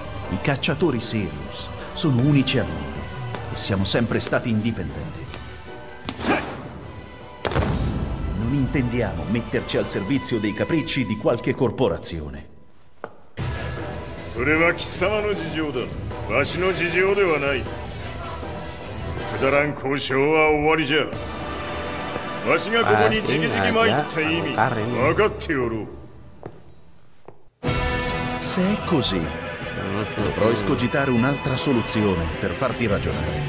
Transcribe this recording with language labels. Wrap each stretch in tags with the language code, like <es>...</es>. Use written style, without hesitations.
<it>I cacciatori Sirius sono unici al mondo e siamo sempre stati indipendenti. Non intendiamo metterci al servizio dei capricci di qualche corporazione.</it> <ja>それは貴様の事情だ。わしの事情ではない。くだらん交渉は終わりじゃ。わしがここにじきじき参った意味、分かっておろう。</ja> <it>Se è così, dovrò escogitare un'altra soluzione per farti ragionare.</it>